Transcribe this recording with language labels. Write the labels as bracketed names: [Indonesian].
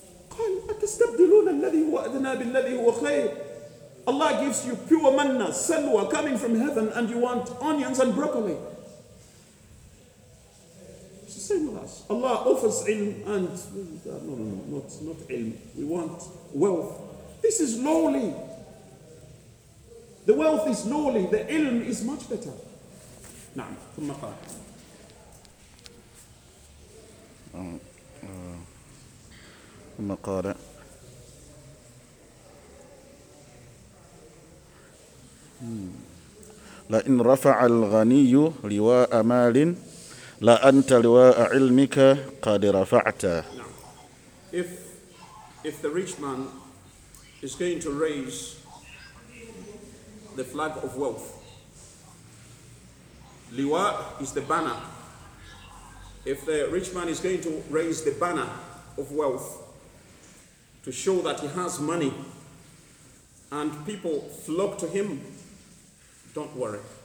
[Arabic] قال أتستبدلون الذي هو أدنى بالذي هو خير. [English] Allah gives you pure manna, salwa, coming from heaven, and you want onions and broccoli. It's the same with us. Allah offers ilm and... No, not ilm. We want wealth. This is lowly. The wealth is lowly. The ilm is much better. [Arabic] نعم, ثم قال. ثم قال. لئن رفع الغني لواء مال لأنت لواء علمك قد رفعت. [English] If the rich man is going to raise the flag of wealth, لواء is the banner. If the rich man is going to raise the banner of wealth to show that he has money and people flock to him, don't worry.